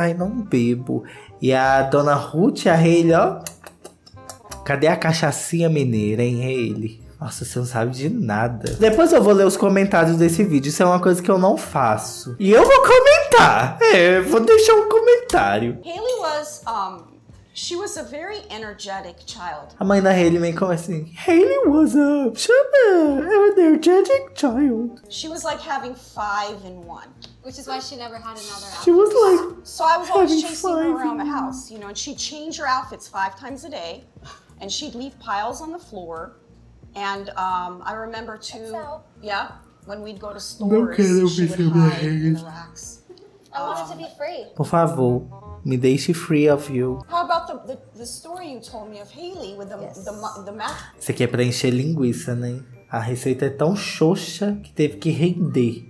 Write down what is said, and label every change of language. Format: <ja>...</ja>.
<pt>Ai, não bebo. E a dona Ruth, a Hayley, ó. Cadê a cachaçinha mineira, hein, Hayley? Nossa, você não sabe de nada. Depois eu vou ler os comentários desse vídeo. Isso é uma coisa que eu não faço. E eu vou comentar. É, vou deixar um comentário.</pt> <en>Hayley was, She was a very energetic child.</en> <pt>A mãe da Hayley meio como assim.</pt> <en>Hayley was a... She was an energetic child. She was like having five in one. Which is why she never had another outfit. She was like so I was always chasing her around the house, you know, and she'd change her outfits five times a day. And she'd leave piles on the floor. And I remember too, yeah, when we'd go to stores, she would hide in the racks. I wanted to be free.</en> <pt>Por favor. Me deixe</pt> <en>free of you. How about the story you told me of Hayley with the, yes. the math?</en> <pt>Isso aqui é pra encher linguiça, né? A receita é tão xoxa que teve que render.</pt>